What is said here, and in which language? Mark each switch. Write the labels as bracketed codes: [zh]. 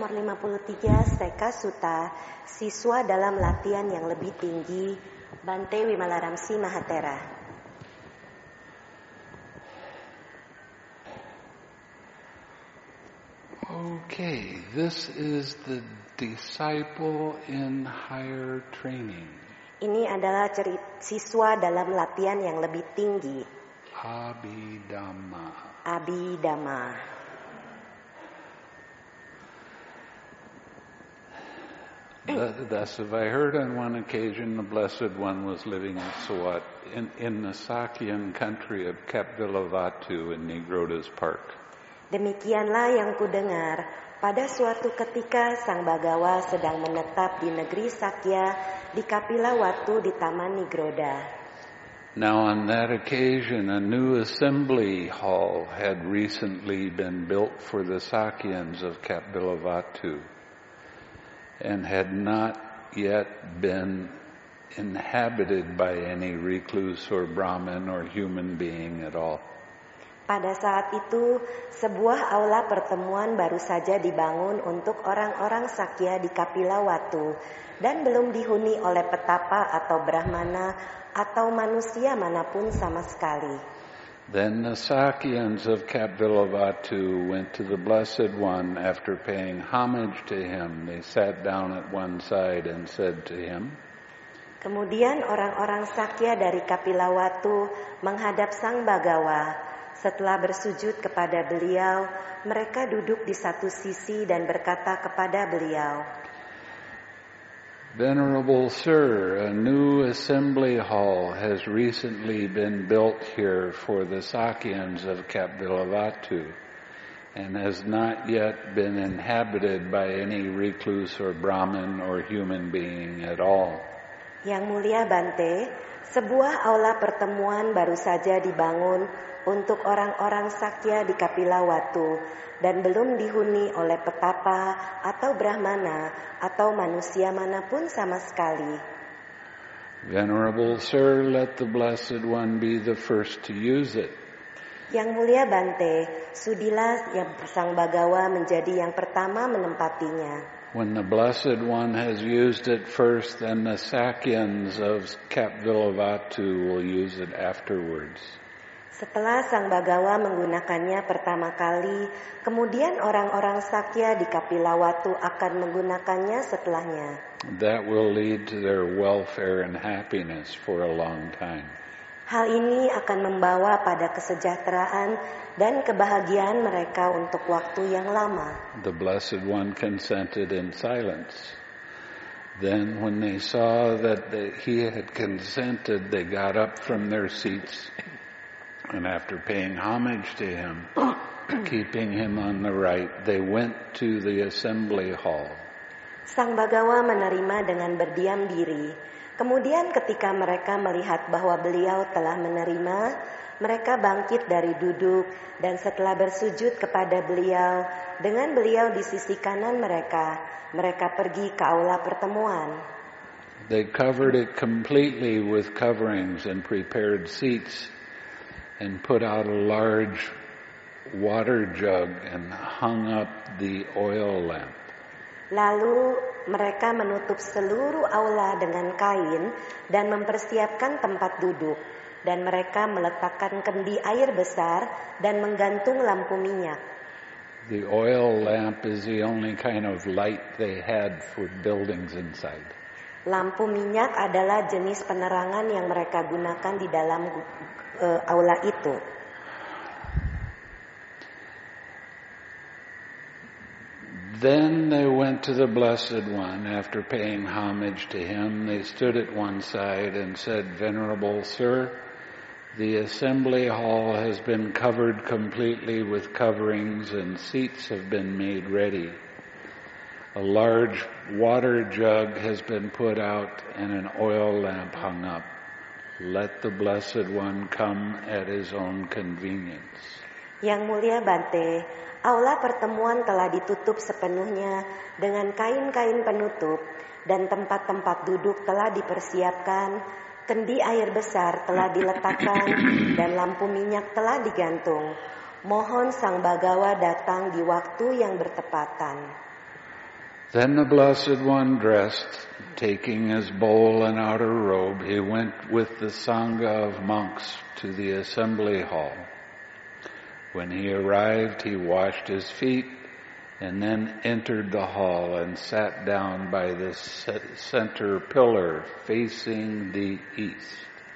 [id] 53, Sekha Sutta, Siswa dalam Latihan yang Lebih Tinggi, Bante Wimalaramsi Mahatera. [en] Okay, this is the disciple in higher training. [id] Ini adalah siswa dalam latihan yang lebih tinggi. [pi] Abhidhamma. Abhidhamma. [en] Thus have I heard on one occasion the Blessed One was living in Sawat in the Sakyan country of Kapilavastu in Nigrodha's park. [id] Demikianlah yang kudengar, pada suatu ketika Sang Bhagawa sedang menetap di negeri Sakya di Kapilavastu di Taman Nigrodha. [en] Now on that occasion a new assembly hall had recently been built for the Sakyans of Kapilavastu and had not yet been inhabited by any recluse or Brahmin or human being at all. [id] Pada saat itu, sebuah aula pertemuan baru saja dibangun untuk orang-orang Sakya di Kapilavastu dan belum dihuni oleh petapa atau brahmana atau manusia manapun sama sekali. [en] Then the Sakyans of Kapilavastu went to the Blessed One after paying homage to him. They sat down at one side and said to him, [id] kemudian orang-orang Sakya dari Kapilavastu menghadap Sang Bhagawa. Setelah bersujud kepada beliau, mereka duduk di satu sisi dan berkata kepada beliau, [en] Venerable Sir, a new assembly hall has recently been built here for the Sakyans of Kapilavastu and has not yet been inhabited by any recluse or Brahmin or human being at all. [id] Yang mulia Bante, sebuah aula pertemuan baru saja dibangun untuk orang-orang Sakya di Kapilavastu dan belum dihuni oleh petapa atau brahmana atau manusia manapun sama sekali. [en] Venerable Sir, let the Blessed One be the first to use it. [id] Yang mulia Bante, sudilah yang Sang Bhagawa menjadi yang pertama menempatinya. [en] When the Blessed One has used it first, then the Sakyans of Kapilavastu will use it afterwards. [id] Setelah Sang Bhagawa menggunakannya pertama kali, kemudian orang-orang Sakya di Kapilavastu akan menggunakannya setelahnya. [en] That will lead to their welfare and happiness for a long time. [id] Hal ini akan membawa pada kesejahteraan dan kebahagiaan mereka untuk waktu yang lama. [en] The Blessed One consented in silence. Then when they saw that he had consented, they got up from their seats. And after paying homage to him, keeping him on the right, they went to the assembly hall. [id] Sang Bhagawa menerima dengan berdiam diri. Kemudian ketika mereka melihat bahwa beliau telah menerima, mereka bangkit dari duduk dan setelah bersujud kepada beliau, dengan beliau di sisi kanan mereka, mereka pergi ke aula pertemuan. [en] They covered it completely with coverings and prepared seats. And put out a large water jug and hung up the oil lamp. [id] Lalu mereka menutup seluruh aula dengan kain dan mempersiapkan tempat duduk dan mereka meletakkan kendi air besar dan menggantung lampu minyak. [en] The oil lamp is the only kind of light they had for buildings inside. [id] Lampu minyak adalah jenis penerangan yang mereka gunakan di dalam aula itu. [en] Then they went to the Blessed One after paying homage to him. They stood at one side and said, Venerable Sir, the assembly hall has been covered completely with coverings and seats have been made ready. A large water jug has been put out and an oil lamp hung up. Let the Blessed One come at his own convenience. [id] Yang Mulia Bante, aula pertemuan telah ditutup sepenuhnya dengan kain-kain penutup dan tempat-tempat duduk telah dipersiapkan, kendi air besar telah diletakkan, dan lampu minyak telah digantung. Mohon Sang Bhagawa datang di waktu yang bertepatan. [en] Then the Blessed One dressed, taking his bowl and outer robe, he went with the Sangha of monks to the assembly hall. When he arrived, he washed his feet and then entered the hall and sat down by the center pillar facing the east.